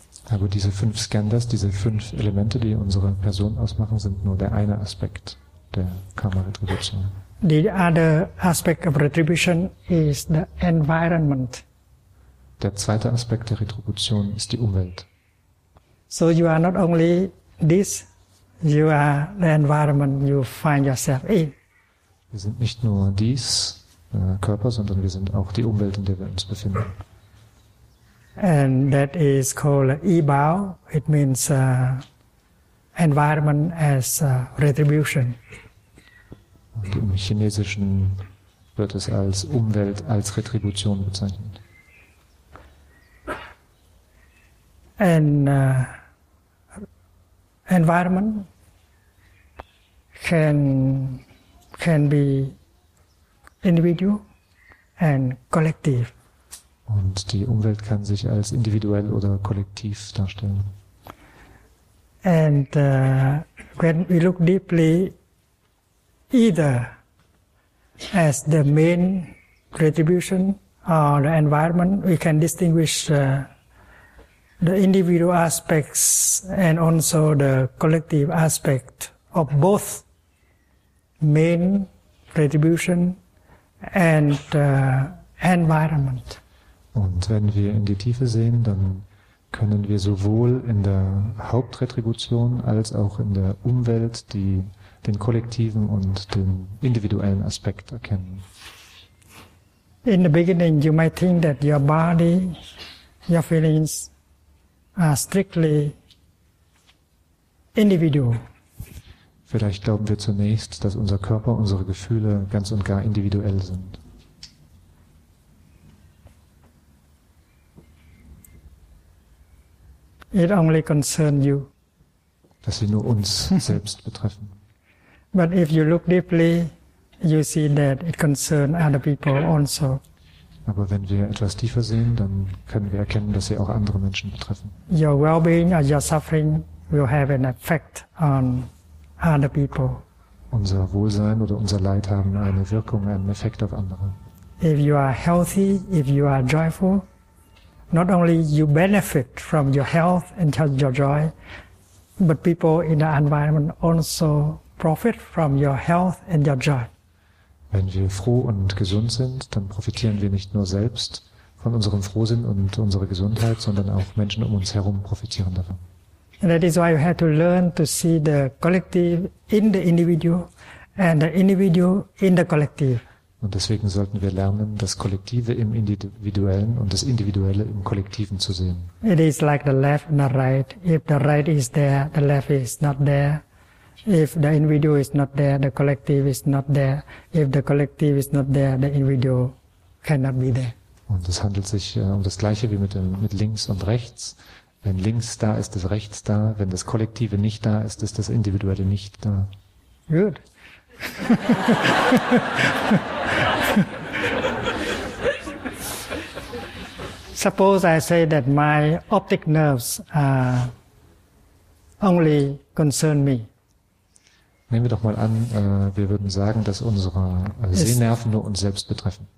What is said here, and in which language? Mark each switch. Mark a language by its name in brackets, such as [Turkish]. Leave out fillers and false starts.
[German] Aber diese fünf Skandhas, diese fünf Elemente, die unsere Person ausmachen, sind nur der eine Aspekt der Karma-Retribution. [English] The other aspect of retribution is the environment. [German] Der zweite Aspekt der Retribution ist die Umwelt. [English] So you are not only this, you are the environment you find yourself in. [German] Wir sind nicht nur dies, Körper, sondern wir sind auch die Umwelt, in der wir uns befinden. [English] And that is called ibao. It means environment as retribution. [German] Und im Chinesischen wird es als Umwelt, als Retribution bezeichnet. [English] And environment can be individual and collective. [German] Und die Umwelt kann sich als individuell oder kollektiv darstellen. [English] And when we look deeply, either as the main retribution or the environment, we can distinguish the individual aspects and also the collective aspect of both main retribution and environment. [German] Und wenn wir in die Tiefe sehen, dann können wir sowohl in der Hauptretribution als auch in der Umwelt den kollektiven und den individuellen Aspekt erkennen. [English] In the beginning, you might think that your body, your feelings are strictly individual. [German] Vielleicht glauben wir zunächst, dass unser Körper, unsere Gefühle ganz und gar individuell sind. [English] It only concern you. [German] Dass sie nur uns selbst betreffen. [English] But if you look deeply, you see that it concern other people also. [German] Aber wenn wir etwas tiefer sehen, dann können wir erkennen, dass sie auch andere Menschen betreffen. [English] Your well-being or your suffering will have an effect on other people. [German] Unser Wohlsein oder unser Leid haben eine Wirkung, einen Effekt auf andere. [English] If you are healthy, if you are joyful, not only you benefit from your health and your joy, but people in the environment also profit from your health and your joy. [German] Wenn wir froh und gesund sind, dann profitieren wir nicht nur selbst von unserem Frohsinn und unserer Gesundheit, sondern auch Menschen um uns herum profitieren davon. [English] And that is why you have to learn to see the collective in the individual and the individual in the collective. [German] Und deswegen sollten wir lernen, das Kollektive im Individuellen und das Individuelle im Kollektiven zu sehen. [English] It is like the left and the right. If the right is there, the left is not there. If the individual is not there, the collective is not there. If the collective is not there, the individual cannot be there. [German] Und es handelt sich um das Gleiche wie mit links und rechts. Wenn links da ist, ist rechts da. Wenn das Kollektive nicht da ist, ist das Individuelle nicht da. [English] Good. So Suppose I say that my optic nerves only concern me. [German] Nehmen wir doch mal an, wir würden sagen, dass unsere Sehnerven nur uns selbst betreffen.